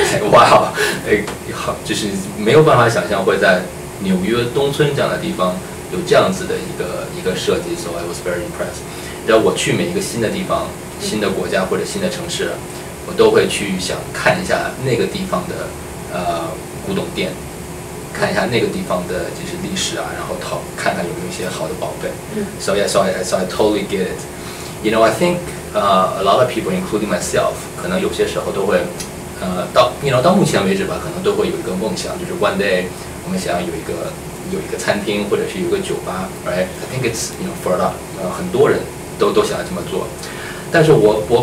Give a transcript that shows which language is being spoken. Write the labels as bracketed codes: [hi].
[zh] 哇，好，就是没有办法想象会在纽约东村这样的地方有这样子的一个设计， [en] so I was very impressed。 [zh] 然后我去每一个新的地方、新的国家或者新的城市，我都会去想看一下那个地方的古董店，看一下那个地方的就是历史啊，然后看看有没有一些好的宝贝。 [en] So yeah, so I totally get it. You know, I think a lot of people, including myself， [zh] 可能有些时候都会到目前为止吧，可能都会有一个梦想，就是 [en] one day [zh] 我们想要有一个餐厅或者是有一个酒吧，right？ [en] I think it's for a lot， [zh] 很多人都想要这么做，但是我